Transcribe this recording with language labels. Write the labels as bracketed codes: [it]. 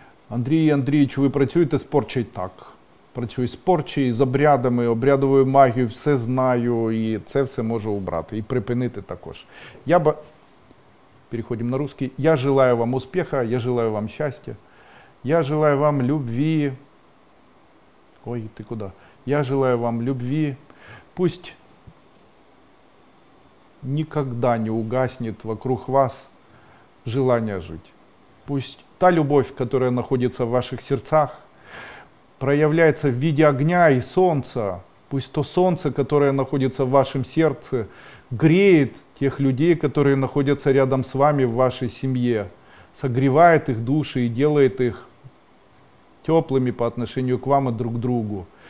[uk] Андрій Андрійович, ви працюєте з порчей? Так. Працюю з порчею, з обрядами, обрядовою магією, все знаю, і це все можу убрати, і припинити також. [ru] Переходимо на русский. Я желаю вам успіху, я желаю вам щастя, я желаю вам любви. Ой, ти куди? Я желаю вам любви. Пусть [uk] ніколи [ru] не угаснет вокруг вас [uk] желання жити. [ru] Пусть та любовь, которая находится в ваших сердцах, проявляется в виде огня и солнца. Пусть то солнце, которое находится в вашем сердце, греет тех людей, которые находятся рядом с вами в вашей семье, согревает их души и делает их теплыми по отношению к вам и друг к другу.